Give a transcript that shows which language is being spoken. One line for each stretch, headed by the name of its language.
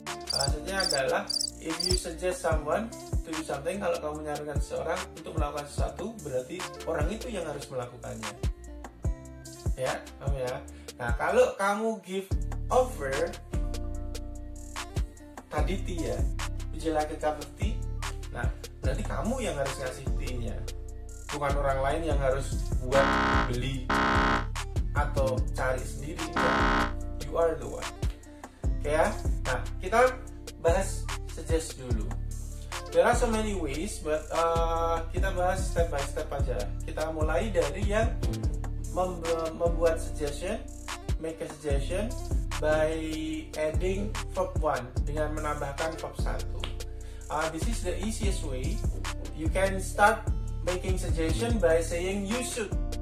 Indonesian: Maksudnya adalah
English: if you suggest someone to do something,
Indonesian: kalau kamu menyarankan seseorang untuk melakukan sesuatu, berarti orang itu yang harus melakukannya. Ya, paham ya? Nah, kalau kamu
English: give offer
Indonesian: tadi
English: tea ya, would you like a cup of tea?
Indonesian: Nah, berarti kamu yang harus ngasih tea-nya, bukan orang lain yang harus buat, beli, atau cari sendiri.
English: You are the one. Okay,
Indonesian: ya? Nah, kita bahas suggest dulu.
English: There are so many ways, but
Indonesian: kita bahas
English: step by step
Indonesian: aja. Kita mulai dari yang membuat suggestion,
English: make a suggestion by adding verb 1,
Indonesian: dengan menambahkan verb 1.
English: This is the easiest way. You can start making suggestion by saying you should.